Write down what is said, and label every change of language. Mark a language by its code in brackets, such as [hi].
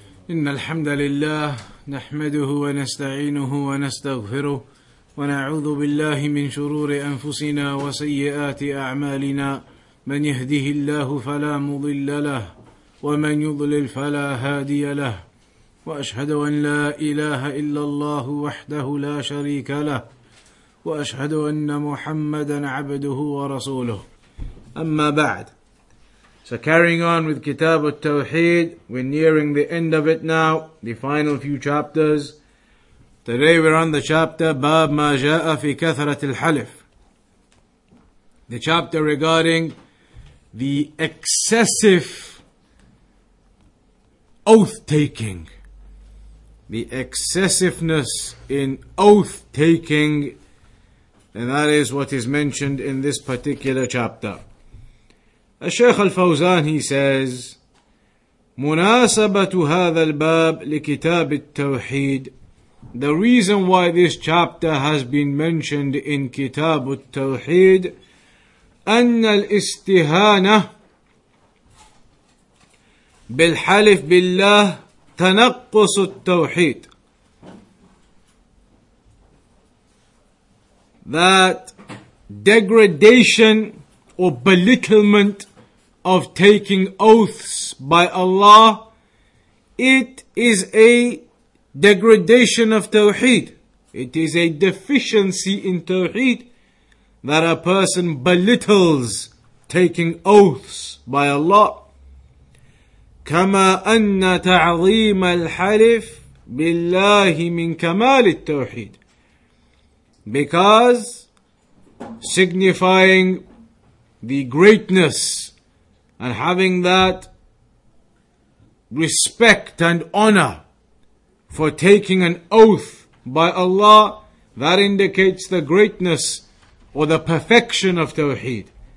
[ar] إن الحمد لله نحمده ونستعينه ونستغفره ونعوذ بالله من شرور أنفسنا وسيئات أعمالنا من يهده الله فلا مضل له ومن يضلل فلا هادي له وأشهد أن لا إله إلا الله وحده لا شريك له وأشهد أن محمدا عبده ورسوله أما بعد. [en] So carrying on with Kitab al-Tawheed, we're nearing the end of it now, the final few chapters. Today we're on the chapter Bab Ma Ja'a Fi Kathrat al-Halif, the chapter regarding the excessive oath-taking, the excessiveness in oath-taking, and that is what is mentioned in this particular chapter. [ar] الشيخ الفوزان [en] he says [ar] مناسبة هذا الباب لكتاب التوحيد. [en] The reason why this chapter has been mentioned in [ar] كتاب التوحيد أن الاستهانة بالحلف بالله تنقص التوحيد. [en] That degradation or belittlement of taking oaths by Allah, it is a degradation of Tawheed. It is a deficiency in Tawheed that a person belittles taking oaths by Allah. [ar] كما أن تعظيم الحلف بالله من كمال التوحيد. [en] Because signifying the greatness and having that respect and honor for taking an oath by Allah, that indicates the greatness or the perfection of Tawheed.